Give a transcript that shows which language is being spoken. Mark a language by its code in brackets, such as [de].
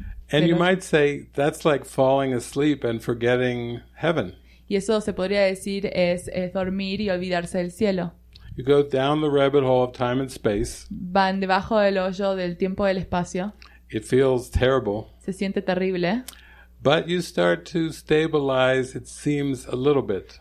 [en] And you might say that's like falling asleep and forgetting heaven. [es] Y eso se podría decir es dormir y olvidarse del cielo. [en] You go down the rabbit hole of time and space. [es] Van debajo del hoyo del tiempo y del espacio. [en] It feels terrible. [es] Se siente terrible. [en] But you start to stabilize, it seems, a little bit.